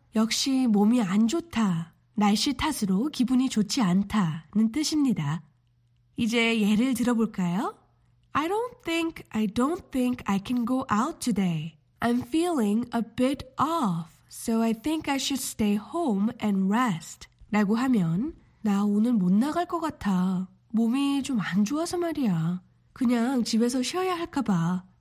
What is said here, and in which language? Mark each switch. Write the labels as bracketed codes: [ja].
[ko] 역시 몸이 안 좋다, 날씨 탓으로 기분이 좋지 않다는 뜻입니다. 이제 예를 들어볼까요? [en] I don't think I can go out today. I'm feeling a bit off, so I think I should stay home and rest. [ko] 라고 하면 나 오늘 못 나갈 것 같아. 몸이 좀 안 좋아서 말이야. 그냥 집에서 쉬어야 할까 봐.